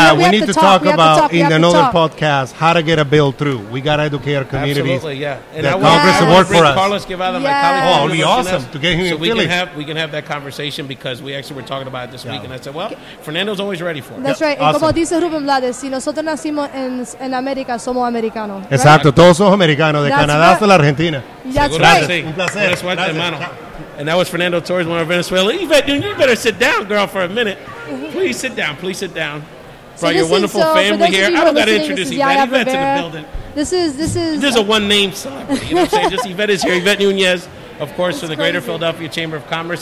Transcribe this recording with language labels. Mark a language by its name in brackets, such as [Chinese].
[English] Yeah, we need to talk about, in another podcast, how to get a bill through. We got to educate our communities. Absolutely, yeah. And Congress support for us. Carlos Guevara, my colleague. Oh, it would be awesome to get him in Philly. So we can have that conversation because we actually were talking about it this week. And I said, well, Fernando's always ready for it. That's right. And [Spanish] como dice Ruben Blades, si nosotros nacimos en América, somos americanos. Exacto. Todos somos americanos, de Canadá hasta la Argentina. [English] That's right. [Spanish] Un placer. Un placer, hermano. [English] And that was Fernando Torres, one of Venezuela. Yvette, you better sit down, girl, for a minute. Please sit down. Please sit down. For your wonderful family here. I don't got to introduce Yvette. Yvette's in the building. This is a one-name celebrity. You know what I'm saying? Just Yvette is here. Yvette Nunez, of course, for the Greater Philadelphia Chamber of Commerce.